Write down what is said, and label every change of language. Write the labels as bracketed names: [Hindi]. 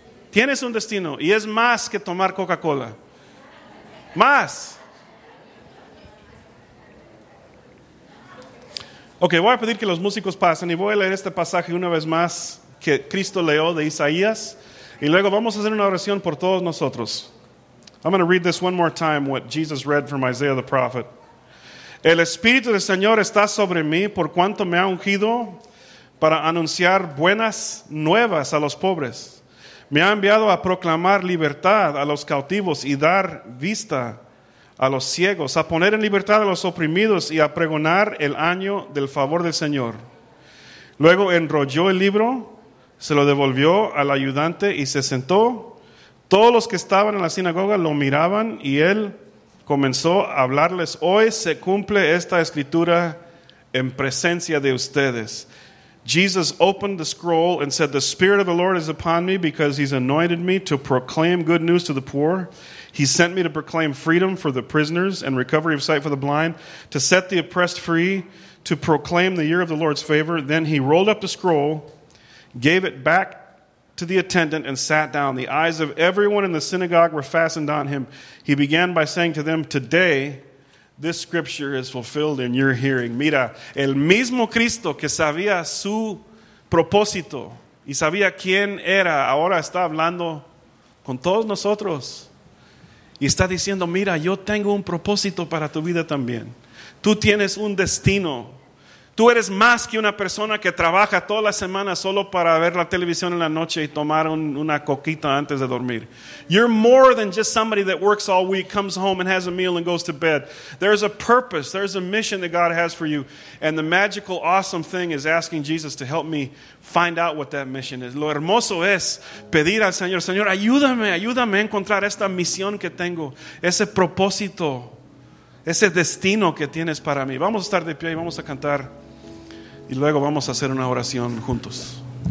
[Spanish] Tienes un destino y es más que tomar Coca-Cola. Más. Ok, voy a pedir que los músicos pasen y voy a leer este pasaje una vez más que Cristo leyó de Isaías y luego vamos a hacer una oración por todos nosotros. [English] I'm going to read this one more time, what Jesus read from Isaiah the prophet. [Spanish] El Espíritu del Señor está sobre mí por cuanto me ha ungido para anunciar buenas nuevas a los pobres. Me ha enviado a proclamar libertad a los cautivos y dar vista a los ciegos, a poner en libertad a los oprimidos y a pregonar el año del favor del Señor. Luego enrolló el libro, se lo devolvió al ayudante y se sentó. Todos los que estaban en la sinagoga lo miraban y él comenzó a hablarles. Hoy se cumple esta escritura en presencia de ustedes. [English] Jesus opened the scroll and said, "The Spirit of the Lord is upon me because he's anointed me to proclaim good news to the poor. He sent me to proclaim freedom for the prisoners and recovery of sight for the blind, to set the oppressed free, to proclaim the year of the Lord's favor." Then he rolled up the scroll, gave it back to the attendant, and sat down. The eyes of everyone in the synagogue were fastened on him. He began by saying to them, "Today, this scripture is fulfilled in your hearing." [Spanish] Mira, el mismo Cristo que sabía su propósito y sabía quién era, ahora está hablando con todos nosotros. Y está diciendo, mira, yo tengo un propósito para tu vida también. Tú tienes un destino. Tú eres más que una persona que trabaja toda la semana solo para ver la televisión en la noche y tomar una coquita antes de dormir. [English] You're more than just somebody that works all week, comes home and has a meal and goes to bed. There's a purpose, there's a mission that God has for you. And the magical, awesome thing is asking Jesus to help me find out what that mission is. [Spanish] Lo hermoso es pedir al Señor, Señor, ayúdame, ayúdame a encontrar esta misión que tengo, ese propósito. Ese destino que tienes para mí. Vamos a estar de pie y vamos a cantar. Y luego vamos a hacer una oración juntos.